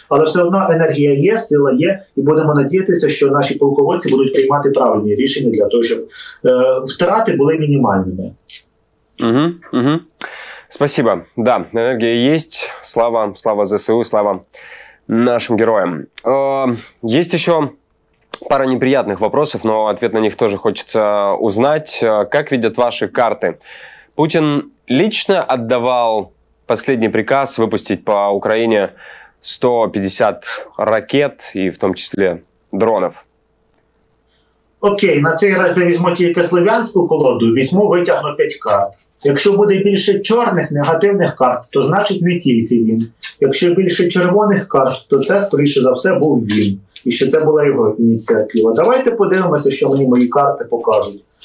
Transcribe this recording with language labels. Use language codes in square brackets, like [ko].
[uk] Але все одно енергія є, сила є, і будемо надіятися, що наші полководці будуть приймати правильні рішення для того, щоб втрати були мінімальними. [ru] Угу, угу. Спасибо. [uk] Да, енергія є, слава, слава ЗСУ, слава нашим героям. [ru] Є ще пара неприятных вопросов, но ответ на них тоже хочется узнать. Как видят ваши карты? Путин лично отдавал последний приказ выпустить по Украине 150 ракет и в том числе дронов. [uk] Окей, на цей раз я візьму тільки слов'янську колоду, візьму, витягну 5 карт. Якщо буде більше чорних, негативних карт, то значить не тільки він. Якщо більше червоних карт, то це, скоріше за все, був він. І що це була його ініціатива. Давайте подивимося, що мені мої карти покажуть.